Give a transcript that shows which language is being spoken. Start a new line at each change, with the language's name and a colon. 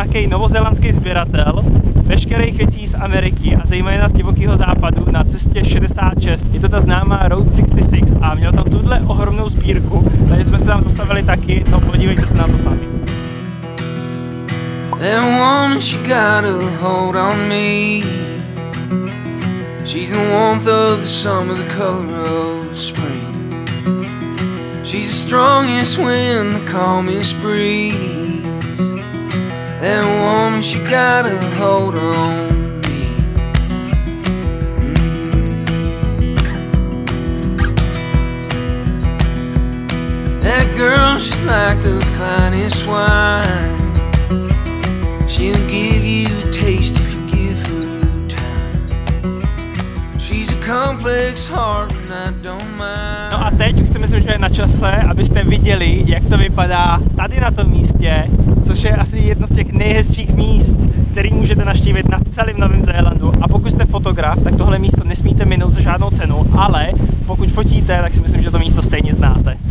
Czech: Novozélandský sběratel veškerých věcí z Ameriky a zejména z divokého západu na cestě 66. Je to ta známá Route 66 a měl tam tuhle ohromnou sbírku, takže jsme se tam zastavili taky, no podívejte se na to sami.
English: And once you got a hold on me, she's the warmth of the summer, the color of the spring. She's the strongest wind, the calmest breeze. That woman, she got a hold on me. That girl, she's like the finest wine. She'll give you a taste if you give her time. She's a complex heart and I don't mind.
Czech: No a teď už si myslím, že je na čase, abyste viděli, jak to vypadá tady na tom místě. Což je asi jedno z těch nejhezčích míst, který můžete navštívit na celém Novém Zélandu. A pokud jste fotograf, tak tohle místo nesmíte minout za žádnou cenu, ale pokud fotíte, tak si myslím, že to místo stejně znáte.